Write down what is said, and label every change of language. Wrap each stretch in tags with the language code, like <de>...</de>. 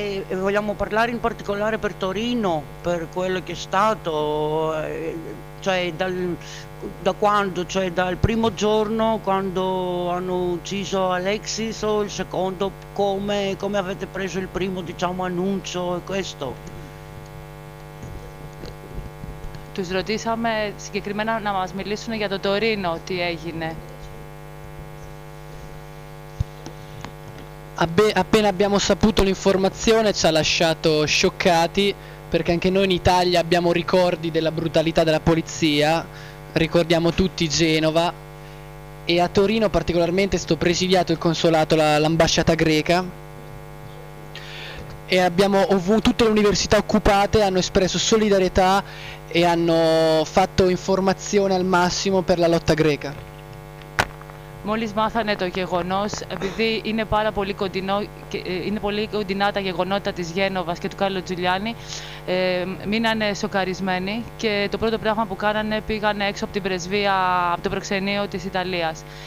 <it>Vogliamo parlare in particolare per Torino, per quello che è stato, cioè da quando, cioè dal primo giorno quando hanno ucciso Alexis, o il secondo, come avete preso il primo, diciamo, annuncio e questo.</it> <el>Τους ρωτήσαμε συγκεκριμένα να μας μιλήσουν για το Torino, τι έγινε.</el> <it>Appena abbiamo saputo l'informazione ci ha lasciato scioccati, perché anche noi in Italia abbiamo ricordi della brutalità della polizia, ricordiamo tutti Genova, e a Torino particolarmente è stato presidiato il consolato, l'ambasciata greca, e abbiamo tutte le università occupate hanno espresso solidarietà e hanno fatto informazione al massimo per la lotta greca.</it> <el>Μόλις μάθανε το γεγονός, επειδή είναι πάρα πολύ κοντινό, είναι πολύ κοντινά τα γεγονότα της Γένοβας και του Κάρλο Τζουλιάνι, μείνανε σοκαρισμένοι και το πρώτο πράγμα που κάνανε πήγανε έξω από την πρεσβεία, από το προξενείο της Ιταλίας.</el>